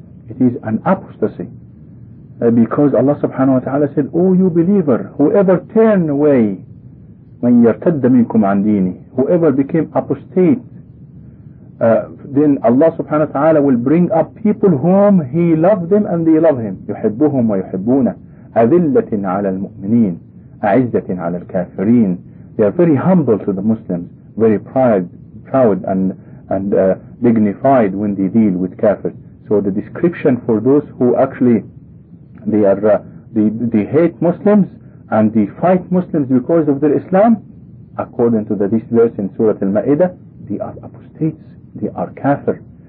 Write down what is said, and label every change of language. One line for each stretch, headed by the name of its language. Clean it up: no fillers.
English: It is an apostasy. Because Allah subhanahu wa ta'ala said, O you believer, whoever turn away,
Arabic: من يرتد منكم عن ديني,
English: whoever became apostate, then Allah subhanahu wa ta'ala will bring up people whom he loved them and they love him.
Arabic: يحبهم ويحبون أذلة على المؤمنين أعزة على الكافرين.
English: They are very humble to the Muslims, very proud and dignified when they deal with kafirs. So the description for those who actually they hate Muslims and they fight Muslims because of their Islam, according to this verse in Surah Al-Ma'idah, they are apostates, they are kafir.